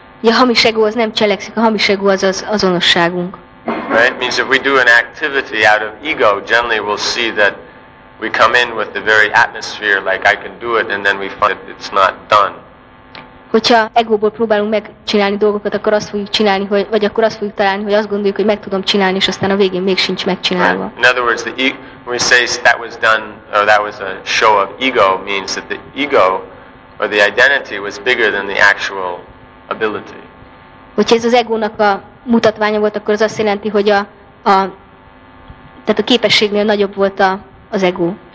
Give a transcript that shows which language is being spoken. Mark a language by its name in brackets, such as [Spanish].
[Hungarian] Ja, hamis ego az nem cselekszik. A hamis ego az az azonosságunk. [English] Right? Means if we do an activity out of ego, generally we'll see that we come in with the very atmosphere, like I can do it, and then we find it's not done. [Hungarian] Hogyha egóból próbálunk megcsinálni dolgokat, akkor azt fogjuk csinálni, hogy vagy akkor azt fogjuk találni, hogy azt gondoljuk, hogy meg tudom csinálni, és aztán a végén még sincs megcsinálva. [English] In other words, the when we say that was done or that was a show of ego, means that the ego or the identity was bigger than the actual ability. [Hungarian] Hogyha ez az egónak a mutatványa volt, akkor az azt jelenti, hogy tehát a képességnél nagyobb volt az ego.